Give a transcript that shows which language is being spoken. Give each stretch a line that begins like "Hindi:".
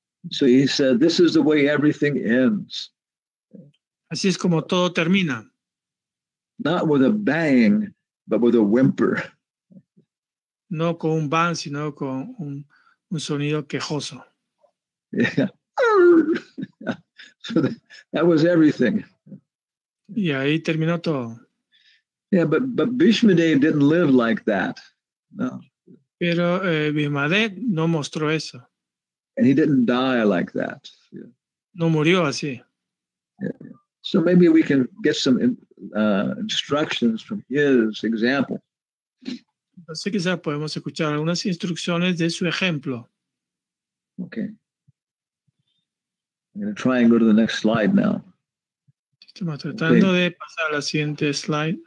English: So he said, "This is the way everything ends."
Spanish: Así es como todo termina.
English: Not with a bang, but with a whimper.
Spanish: No con un bang, sino con un sonido quejoso.
English: Yeah. So that was everything.
Spanish: Y ahí terminó todo.
English: Yeah, but Bhishmadev didn't live like that. No.
Spanish: Pero Bhishmadev no mostró eso.
English: And he didn't die like that. Yeah.
Spanish: No murió así.
English: Yeah. So maybe we can get some instructions from his example.
Spanish: Entonces quizás podemos escuchar algunas instrucciones de su ejemplo.
English: Okay. I'm going to try and go to the next slide now.
Spanish: Estamos tratando de pasar a la siguiente slide.